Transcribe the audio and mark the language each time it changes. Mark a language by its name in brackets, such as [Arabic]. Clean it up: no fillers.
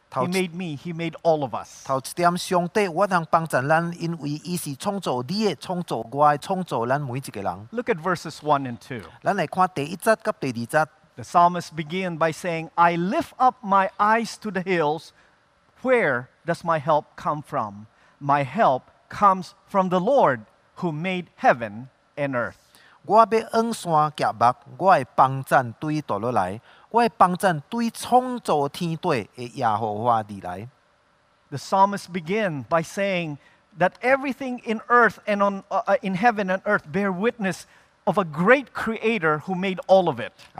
[English] He made me. He made all of us. Look at verses 1 and 2. The psalmist begins by saying, "I lift up my eyes to the hills. Where does my help come from? My help comes from the Lord who made heaven and earth." [Min Nan Chinese] 我要仰山举目，我的帮助对倒落来。我的帮助对创造天地的耶和华而来。 [English] The psalmist begins by saying that everything in earth and on in heaven and earth bear witness of a great creator who made all of it.